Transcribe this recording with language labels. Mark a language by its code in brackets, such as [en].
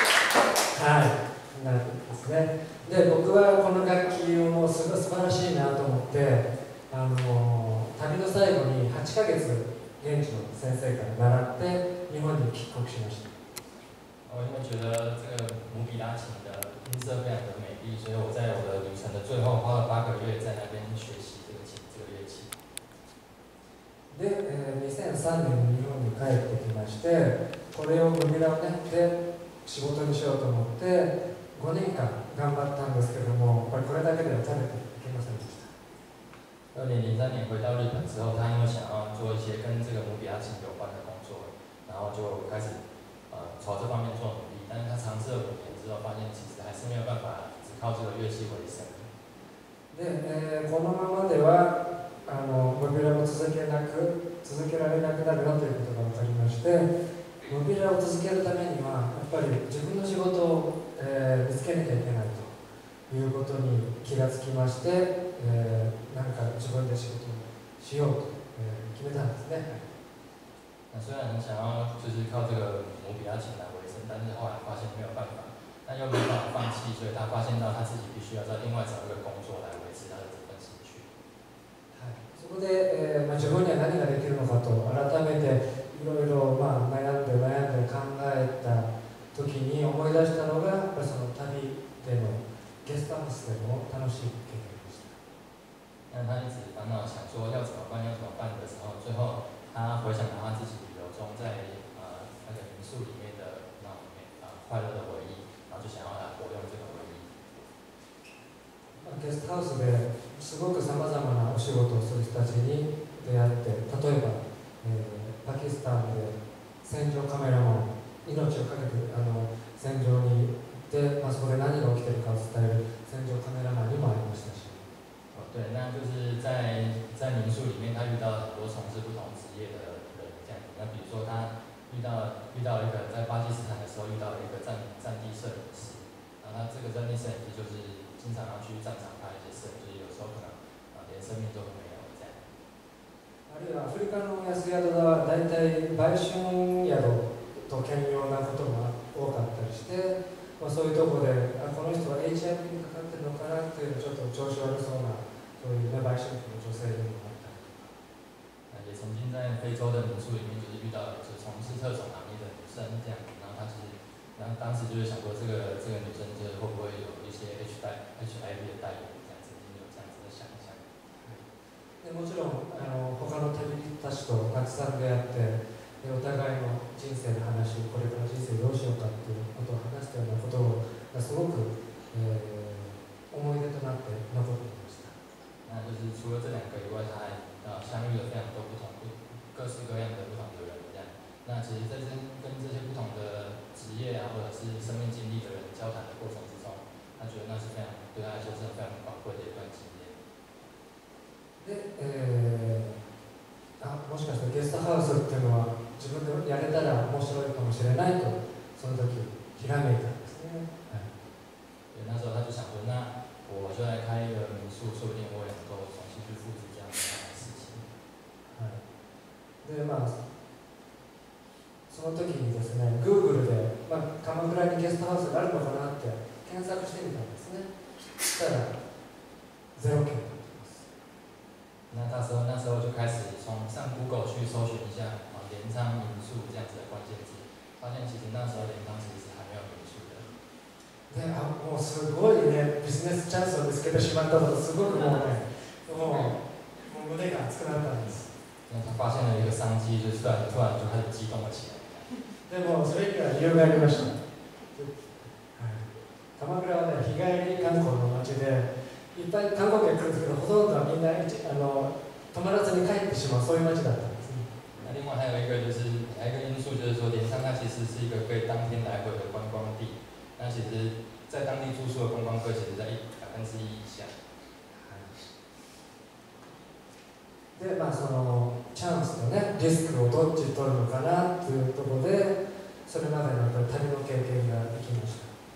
[ja] ね。で、僕はこの楽器をもうすごい素晴らしいなと思って、旅の最後に8ヶ月現地の先生から習って日本に帰国しました。 [zh] 我因为觉得这个姆比拉琴的音色非常的美丽，所以我在我的旅程的最后花了八个月在那边学习这个琴，这个乐器。 [ja] で、2003年日本に帰ってきまして、これを姆比拉琴で仕事にしようと思って、5年間頑張ったんですけども、これだけでは食べていけませんでした。 [zh] 2003年回到日本之后，他因为想要做一些跟这个姆比拉琴有关的工作，然后就开始。朝这方面做努力，但是他尝试了5年之后，发现其实还是没有办法只靠这个乐器为生。 [ja] で、このままでは、モビラを続けられなくなるなということが分かりまして、モビラを続けるためには、やっぱり自分の仕事を、見つけなきゃいけないということに気がつきまして、なんか自分で仕事をしようと、決めたんですね。 [zh] 那虽然很想要就是靠这个姆比拉琴来维生，但是后来发现没有办法，但又没办法放弃，所以他发现到他自己必须要再另外找一个工作来维持他的这份兴趣。 [ja] そこで、自分には何ができるのかと改めていろいろ悩んで悩んで考えた時に思い出したのが、その旅でもゲストハウスでも楽しい経験でした。 [zh] 那他一直烦恼想说要怎么办要怎么办的时候，最后。他回想到他自己旅游中在那个民宿里面的那种快乐的回忆，然后就想要来活用这个回忆。 [ja] ゲストハウスですごく様々なお仕事をする人たちに出会って、例えば、パキスタンで戦場カメラマン命をかけて戦場に行って、そこで何が起きているかを伝える戦場カメラマンにも会いましたし。 [zh] 对，那就是在民宿里面，他遇到了很多从事不同职业的人，这样子。那比如说，他遇到一个在巴基斯坦的时候，遇到了一个战地摄影师。那他这个战地摄影师就是经常要去战场拍一些摄影，就是有时候可能连生命都没有这样。 [ja] あるいはアフリカの安宿ではだいたい売春宿と兼用なことが多かったりして。そういうところで、この人は HIV にかかってるのかなっていうちょっと調子悪そうな、そういうね、売春婦の女性でもあったり。 [zh] 也曾经在非洲的民宿里面就是遇到就从事特种行业的女生这样，然后她其实，然后当时就是想说这个女生就是会不会有一些 HIV 的带源这样，曾经有这样子的想象。 [ja] でもちろん他の旅人たちとたくさん出会って。お互いの人生の話、これから人生どうしようかっていうことを話したようなことをすごく、思い出となって残っていました。 [zh] 那就是除了这两个以外，他还相遇了非常多不同、各式各样的不同的人。这样，那其实在跟这些不同的职业啊，或者是生命经历的人交谈的过程之中，他觉得那是非常对他来说是非常宝贵的一段经验。 [ja] もしかしてゲストハウスっていうのは自分でやれたら面白いかもしれないとその時ひらめいたんですね。 [zh] はい。那时候他就想说，那我就来开一个民宿，说不定我也能够重新去复制这样的事情。 [ja] はい。で、その時にですね、Google で鎌倉にゲストハウスがあるのかなって検索してみたんですね。したら0件。 [zh] 那他说，那时候就开始从上 Google 去搜寻一下镰仓民宿这样子的关键字，发现其实那时候镰仓其实还没有民宿的。对啊， [ja] もうすごいね、ビジネスチャンスを見つけてしまったと、すごくもうね、もう胸が熱くなったんです。 [zh] 那他发现了一个商机，就是突然就开始激动了起来。 [ja] でもそれには理由がありました。鎌倉はね、日帰り観光の街で。いっぱい観光客来るんですけど、ほとんどはみんな泊まらずに帰ってしまう、そういう街だったんですね。 [zh] 另外还有一个就是还有一个因素就是说，镰仓它其实是一个可以当天来回的观光地。那其实，在当地住宿的观光客其实在1%以下。 [ja] で、そのチャンスとね、リスクをどっち取るのかなっていうところで、それまでの旅の経験ができました。